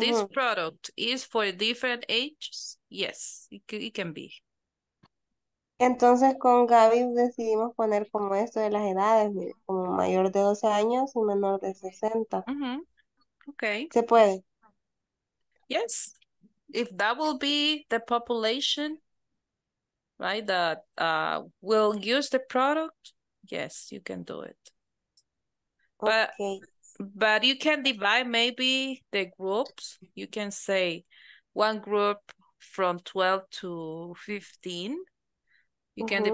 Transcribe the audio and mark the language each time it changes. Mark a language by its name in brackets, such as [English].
[English] this product is for different ages, yes, it can be. [Spanish] Entonces con Gaby decidimos poner como esto de las edades, como mayor de 12 años y menor de 60. Uh-huh. Okay. ¿Se puede? [English] Yes. If that will be the population, right, that will use the product, yes, you can do it. Okay. But you can divide maybe the groups. You can say one group from 12 to 15. You can mm-hmm.